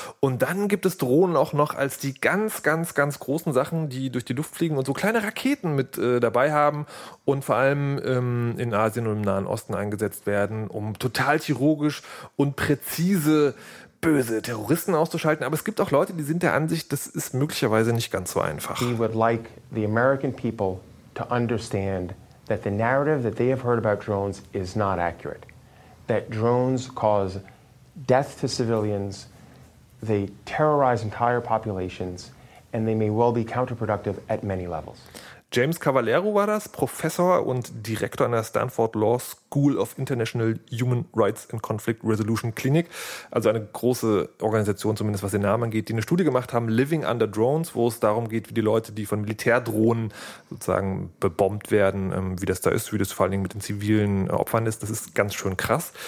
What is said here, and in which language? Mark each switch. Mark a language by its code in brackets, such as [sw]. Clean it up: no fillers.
[de] Und dann gibt es Drohnen auch noch als die ganz, ganz, ganz großen Sachen, die durch die Luft fliegen und so kleine Raketen mit dabei haben und vor allem in Asien und im Nahen Osten eingesetzt werden, um total chirurgisch und präzise böse Terroristen auszuschalten. Aber es gibt auch Leute, die sind der Ansicht, das ist möglicherweise nicht ganz so einfach. [en] He would like the American people to understand that the narrative that they have heard about drones is not accurate. That drones cause death to civilians, they terrorize entire populations and they may well be counterproductive at many levels. [de] James Cavallero war das, Professor und Direktor an der Stanford Law School of International Human Rights and Conflict Resolution Clinic, also eine große Organisation zumindest, was den Namen angeht, die eine Studie gemacht haben, Living Under Drones, wo es darum geht, wie die Leute, die von Militärdrohnen sozusagen bebombt werden, wie das da ist, wie das vor allen Dingen mit den zivilen Opfern ist. Das ist ganz schön krass.